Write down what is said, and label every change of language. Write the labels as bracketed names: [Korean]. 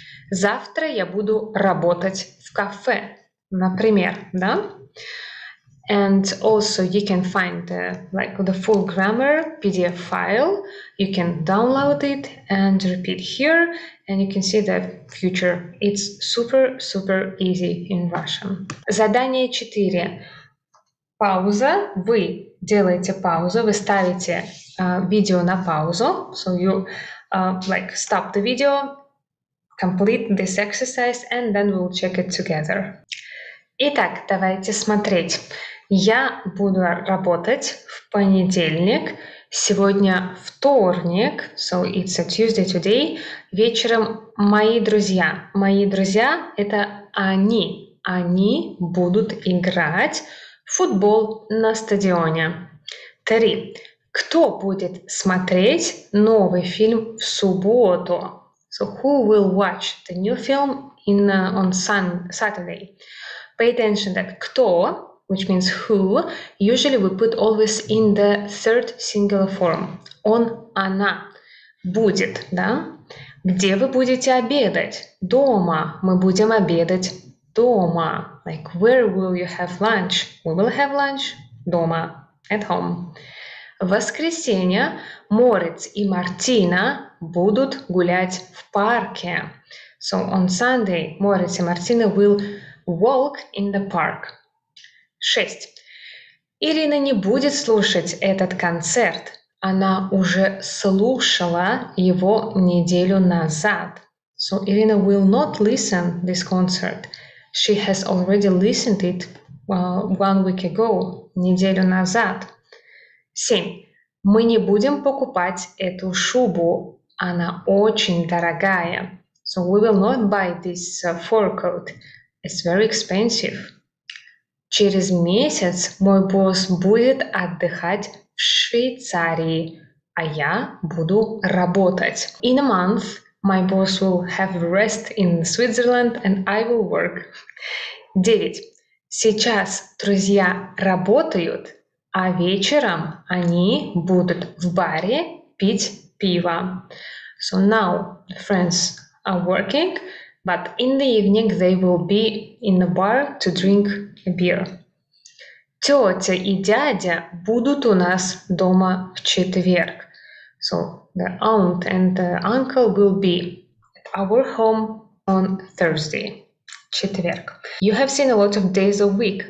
[Russian] Завтра я буду работать в кафе. Например, да? [English] And also you can find the, like, the full grammar PDF file. You can download it and repeat here. And you can see the future. It's super, super easy in Russian. [Russian] Задание 4. Пауза. Вы делаете паузу, вы ставите видео на паузу. [English] So you like stop the video, complete this exercise, and then we'll check it together. [Russian] Итак, давайте смотреть. Я буду работать в понедельник. Сегодня вторник, [English] so it's a Tuesday today. [Russian] Вечером мои друзья. Мои друзья — это они. Они будут играть в футбол на стадионе. Три. Кто будет смотреть новый фильм в субботу? [English] So who will watch the new film on Saturday? Pay attention that кто, which means who, usually we put always in the third singular form. [Russian] Он, она. Будет, да? Где вы будете обедать? Дома. Мы будем обедать дома. [English] Like, where will you have lunch? We will have lunch дома, at home. [Russian] В воскресенье Морец и Мартина будут гулять в парке. [English] So, on Sunday, Морец и Мартина will walk in the park. 6. [Russian] Ирина не будет слушать этот концерт. Она уже слушала его неделю назад. [English] So Irina will not listen this concert. She has already listened it one week ago, [Russian] неделю назад. [English] 7. [Russian] Мы не будем покупать эту шубу. Она очень дорогая. [English] So we will not buy this fur coat. It's very expensive. [Russian] Через месяц мой босс будет отдыхать в Швейцарии, а я буду работать. [English] In a month, my boss will have rest in Switzerland and I will work. 9. [Russian] Сейчас друзья работают, а вечером они будут в баре пить пиво. [English] So now friends are working, but in the evening they will be in the bar to drink beer. [Russian] Тетя и дядя будут у нас дома в четверг. [English] So the aunt and the uncle will be at our home on Thursday. [Russian] Четверг. [English] You have seen a lot of days of week.